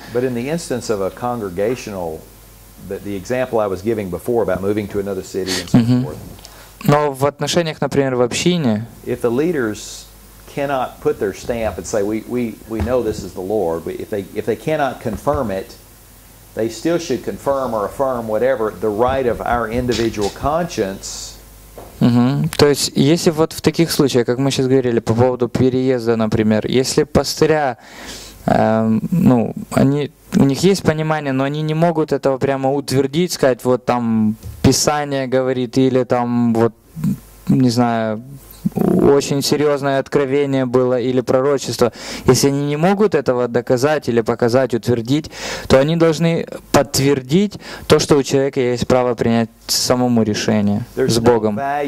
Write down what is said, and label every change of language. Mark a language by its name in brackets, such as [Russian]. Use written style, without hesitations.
[English] But in the instance of a congregational, the example I was giving before about moving to another city and so forth. [Russian] Но в отношениях, например, в общине, [English] if the leaders cannot put their stamp and say we know this is the Lord, but if they cannot confirm it, they still should confirm or affirm whatever the right of our individual conscience. [Russian] То есть, если вот в таких случаях, как мы сейчас говорили по поводу переезда, например, если пастыря, ну, они, у них есть понимание, но они не могут этого прямо утвердить, сказать, вот там Писание говорит, или там вот, не знаю, очень серьезное откровение было или пророчество, если они не могут этого доказать или показать, утвердить, то они должны подтвердить то, что у человека есть право принять самому решение с Богом.